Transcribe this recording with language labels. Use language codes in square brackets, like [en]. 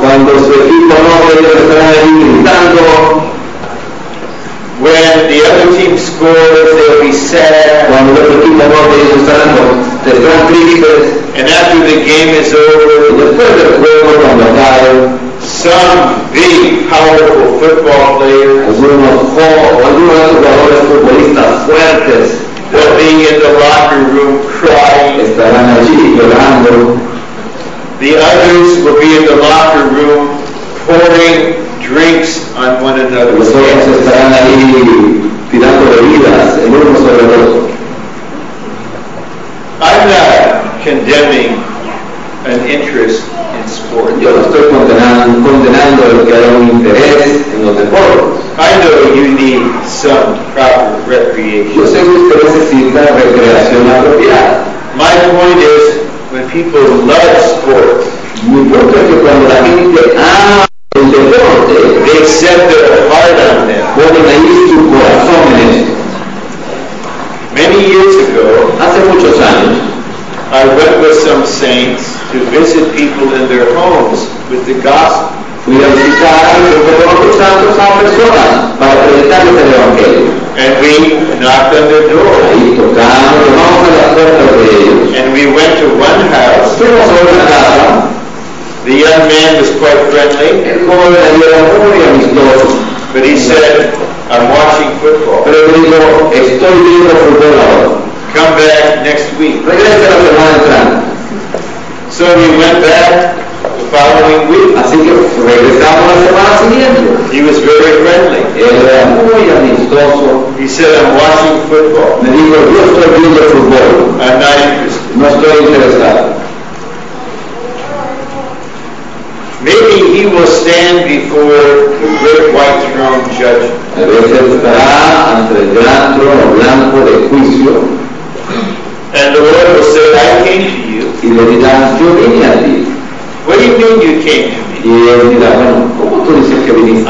[es] Cuando su equipo no puede estar ahí gritando. [en] When the other team scores, they'll be sad. [es] Cuando el otro equipo no puede estar ahí gritando, tristes. [en] And after the game is over, [es] después del juego cuando acabe, [en] some big, powerful football players will be in the locker room crying. [es] Estarán allí llorando. [en] The others will be in the locker room pouring drinks on one another. [es] Los otros estarán ahí tirando bebidas el uno sobre el otro. [en] I'm not condemning an interest in sport. [es] Yo no estoy condenando el que haya un interés en los deportes. [en] I know you need some proper recreation. [es] Yo sé que usted necesita recreación apropiada. [en] My point is, when people love sport, [es] mi punto es que cuando la gente ama el deporte, [en] they set their heart on them. [es] Ponen ahí su corazón en esto. [en] Many years ago, [es] hace muchos años, [en] I went with some saints to visit people in their homes with the gospel. [es] Fui a visitar a otros santos a personas para predicarles el evangelio. [en] And we knocked on their door. [es] Ahí tocamos a la puerta de ellos. [en] And we went to one house. [es] Fuimos a una casa. [en] The young man was quite friendly. [es] El joven era muy amistoso. [en] But he said, I'm watching football. [es] Pero él dijo, estoy viendo fútbol ahora. [en] Come back next week. [es] Regresa la semana entrante. [en] So he went back the following week. [es] Así que regresamos la semana siguiente. [en] He was very friendly. [es] Él era muy amistoso. [en] He said, I'm watching football. [es] Me dijo, yo estoy viendo fútbol. [en] I'm not interested. [es] No estoy interesado. [en] Maybe he will stand before the great white throne judgment. [es] A veces estará ante el gran trono blanco de juicio. [en] And the Lord will say, I came to you. [es] Y le dirá, yo vine a ti. [en] What do you mean you came to me? [es] Y él dirá, bueno, ¿cómo tú dices que viniste?